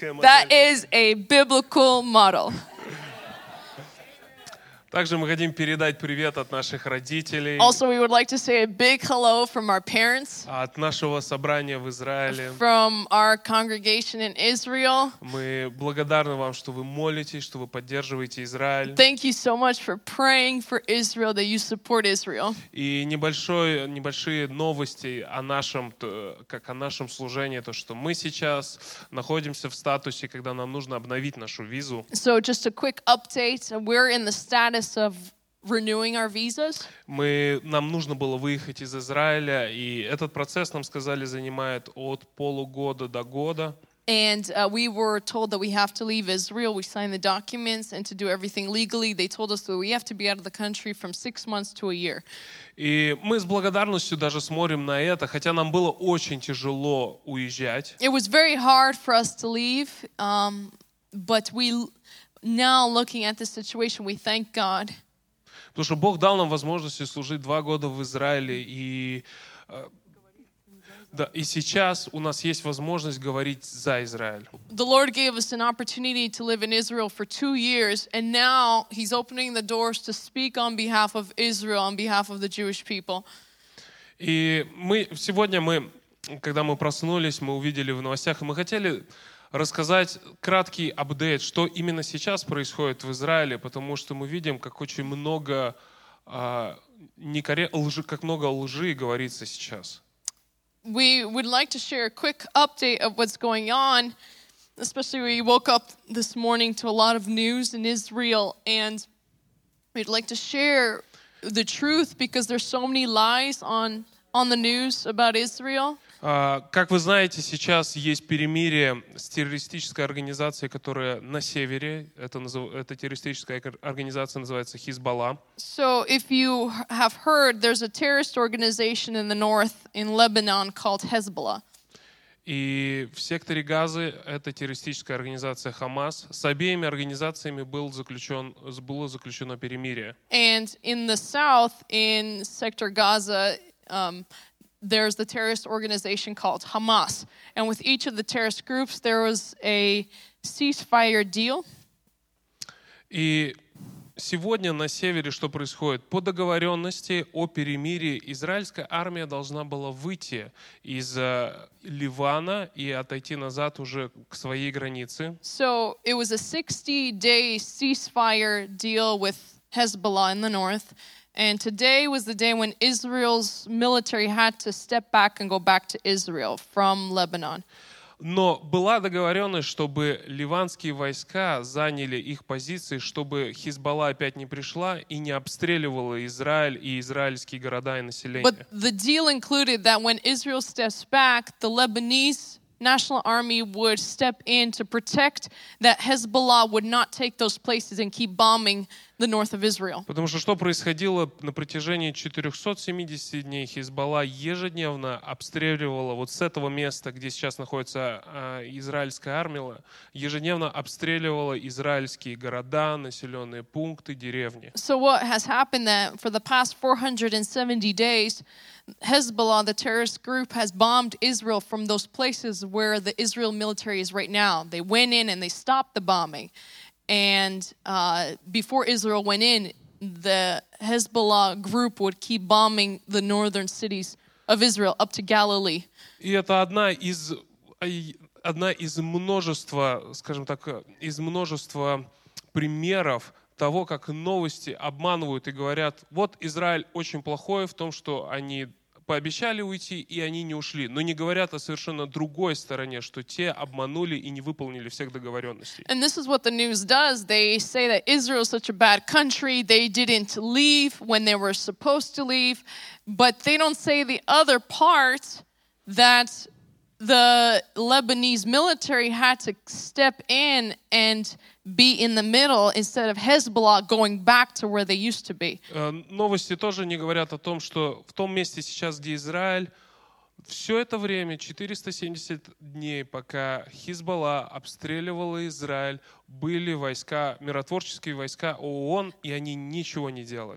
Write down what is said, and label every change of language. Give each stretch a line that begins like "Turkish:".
English: That is a biblical model.
Russian: Также мы хотим передать привет от наших родителей.
English: Also, we would like to say a big hello from our parents.
Russian: От нашего собрания в Израиле.
English: From our congregation in Israel.
Russian: Мы благодарны вам, что вы молитесь, что вы поддерживаете Израиль.
English: Thank you so much for praying for Israel, that you support Israel.
Russian: И небольшие новости о нашем, как о нашем служении, то, что мы сейчас находимся в статусе, когда нам нужно обновить нашу визу.
English: So, just a quick update. We're in the status of renewing our visas.
Russian: Нам нужно было выехать из Израиля, и этот процесс, нам сказали, занимает от полугода до года.
English: And we were told that we have to leave Israel. We signed the documents and to do everything legally. They told us that we have to be out of the country from 6 months to a year.
Russian: И мы с благодарностью даже смотрим на это, хотя нам было очень тяжело уезжать.
English: It was very hard for us to leave, but we... Now, looking at the situation, we thank God.
Russian: Потому что Бог дал нам возможность служить 2 года в Израиле, и сейчас у нас есть возможность говорить за Израиль.
English: The Lord gave us an opportunity to live in Israel for 2 years, and now He's opening the doors to speak on behalf of Israel, on behalf of the Jewish people.
Russian: И мы сегодня мы, когда мы проснулись, мы увидели в новостях, и мы хотели рассказать краткий апдейт, что именно сейчас происходит в Израиле, потому что мы видим, как очень много как много лжи говорится сейчас.
English: We would like to share a quick update of what's going on, especially we woke up this morning to a lot of news in Israel, and we'd like to share the truth because there's so many lies on the news about Israel.
Russian: Как вы знаете, сейчас есть перемирие с террористической организацией, которая на севере. Эта террористическая организация называется Хизбалла.
English: So, if you have heard, there's a terrorist organization in the north, in Lebanon, called Hezbollah.
Russian: И в секторе Газы это террористическая организация Хамас. С обеими организациями было заключено перемирие.
English: And in the south, in sector Gaza, there's the terrorist organization called Hamas. And with each of the terrorist groups, there was a ceasefire deal.
Russian: И сегодня на севере что происходит? По договоренности о перемирии израильская армия должна была выйти из Ливана и отойти назад уже к своей границе.
English: So it was a 60-day ceasefire deal with Hezbollah in the north. And today was the day when Israel's military had to step back and go back to Israel from Lebanon.
Russian: Но была договоренность, чтобы ливанские войска заняли их позиции, чтобы Хизбалла опять не пришла и не обстреливала Израиль и израильские города и население.
English: But the deal included that when Israel steps back, the Lebanese National Army would step in to protect that Hezbollah would not take those places and keep bombing the north of Israel.
Russian: Потому что что происходило на протяжении 470 дней, Хизбалла ежедневно обстреливала вот с этого места, где сейчас находится израильская армия, ежедневно обстреливала израильские города, населенные пункты, деревни.
English: So what has happened that for the past 470 days, Hezbollah, the terrorist group, has bombed Israel from those places where the Israel military is right now. They went in and they stopped the bombing. And before Israel went in, the Hezbollah group would keep bombing the northern cities of Israel up to Galilee.
Russian: И это одна из множества, скажем так, из множества примеров того, как новости обманывают и говорят, вот Израиль очень плохой в том, что они пообещали уйти, и они не ушли. Но не говорят о совершенно другой стороне, что те обманули и не выполнили всех договоренностей.
English: And this is what the news does. They say that Israel is such a bad country. They didn't leave when they were supposed to leave. But they don't say the other part, that the Lebanese military had to step in and be in the middle instead of Hezbollah going back to where they used to be.
Russian: Новости тоже не говорят о том, что в том месте сейчас, где Израиль, Все это время, 470 дней, пока Хизбалла обстреливала Израиль, были войска, миротворческие войска ООН, и они ничего не делали.